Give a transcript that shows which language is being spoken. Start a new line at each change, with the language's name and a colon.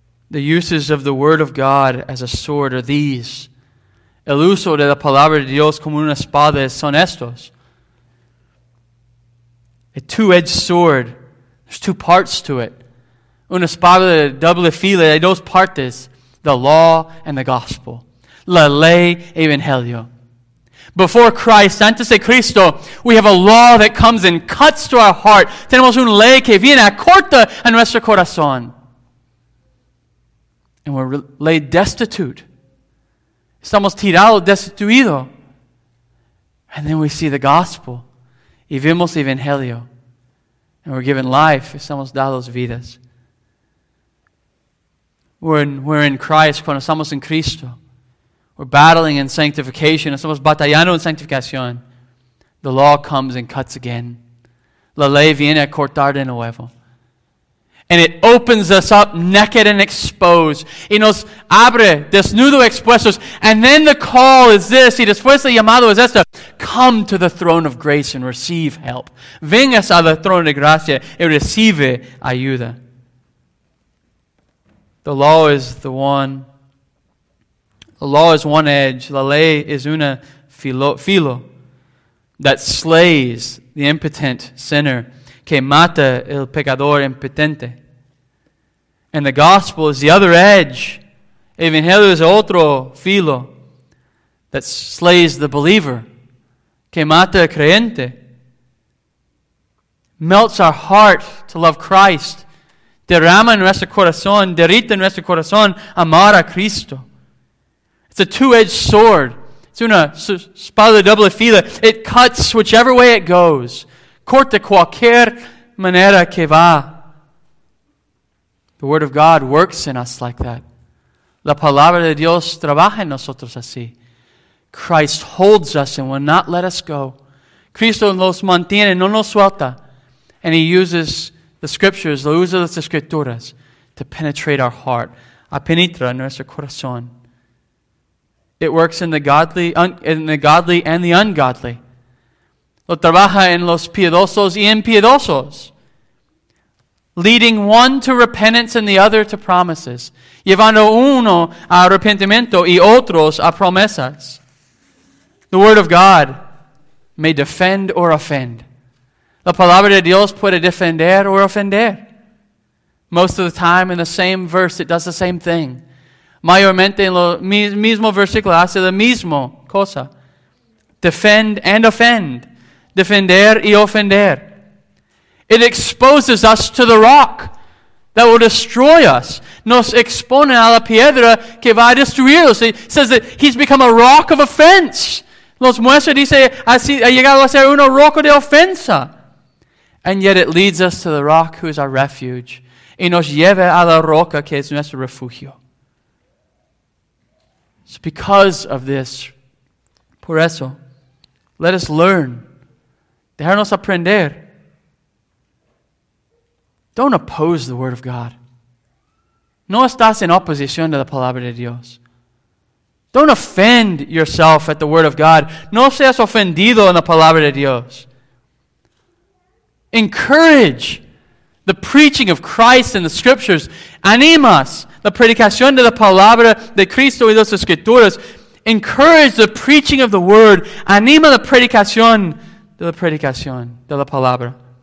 English: The uses of the Word of God as a sword are these.
Spanish: el uso de la palabra de Dios como una espada son estos.
English: A two-edged sword. There's two parts to it.
Spanish: Una espada de doble filo. Hay dos partes.
English: The law and the gospel.
Spanish: La ley evangelio.
English: Before Christ,
Spanish: antes de Cristo,
English: we have a law that comes and cuts to our heart.
Spanish: Tenemos una ley que viene a corta a nuestro corazón.
English: And we're laid destitute.
Spanish: Estamos tirados, destituidos.
English: And then we see the gospel.
Spanish: Y vemos el evangelio.
English: And we're given life.
Spanish: Estamos dados vidas.
English: We're in Christ
Spanish: cuando estamos en Cristo.
English: We're battling in sanctification.
Spanish: Estamos batallando en sanctificación.
English: The law comes and cuts again.
Spanish: La ley viene a cortar de nuevo.
English: And it opens us up naked and exposed.
Spanish: Y nos abre desnudo expuestos.
English: And then the call is this.
Spanish: Y después el llamado es esto.
English: Come to the throne of grace and receive help.
Spanish: Vengas al trono de gracia y recibe ayuda.
English: The law is the one. The law is one edge.
Spanish: La ley es una filo
English: that slays the impotent sinner.
Spanish: Que mata el pecador impotente.
English: And the gospel is the other edge.
Spanish: Evangelio es otro filo
English: that slays the believer.
Spanish: Que mata el creyente.
English: Melts our heart to love Christ.
Spanish: Derrama en nuestro corazón. Derrita en nuestro corazón. Amar a Cristo.
English: It's a two-edged sword. It's
Spanish: una espada de doble filo.
English: It cuts whichever way it goes.
Spanish: Corta cualquier manera que va.
English: The Word of God works in us like that.
Spanish: La Palabra de Dios trabaja en nosotros así.
English: Christ holds us and will not let us go.
Spanish: Cristo nos mantiene, no nos suelta.
English: And He uses the Scriptures,
Spanish: lo usa las Escrituras,
English: to penetrate our heart.
Spanish: A penetra nuestro corazón.
English: It works in the godly, and the ungodly.
Spanish: Lo trabaja en los piadosos y impiedosos.
English: Leading one to repentance and the other to promises.
Spanish: Llevando uno a arrepentimiento y otros a promesas.
English: The Word of God may defend or offend.
Spanish: La Palabra de Dios puede defender or ofender.
English: Most of the time in the same verse it does the same thing.
Spanish: Mayormente en el mismo versículo hace la misma cosa.
English: Defend and offend.
Spanish: Defender y ofender.
English: It exposes us to the rock that will destroy us.
Spanish: Nos expone a la piedra que va a destruirnos.
English: It says that He's become a rock of offense.
Spanish: Los muestra, dice, ha llegado a ser una roca de ofensa.
English: And yet it leads us to the rock who is our refuge.
Spanish: Y nos lleva a la roca que es nuestro refugio.
English: It's because of this.
Spanish: Por eso,
English: let us learn.
Spanish: Dejarnos aprender.
English: Don't oppose the Word of God.
Spanish: No estás en oposición de la Palabra de Dios.
English: Don't offend yourself at the Word of God.
Spanish: No seas ofendido en la Palabra de Dios.
English: Encourage the preaching of Christ in the Scriptures.
Spanish: Animas la predicación de la Palabra de Cristo y las Escrituras.
English: Encourage the preaching of the Word.
Spanish: Anima la predicación de la predicación de la Palabra.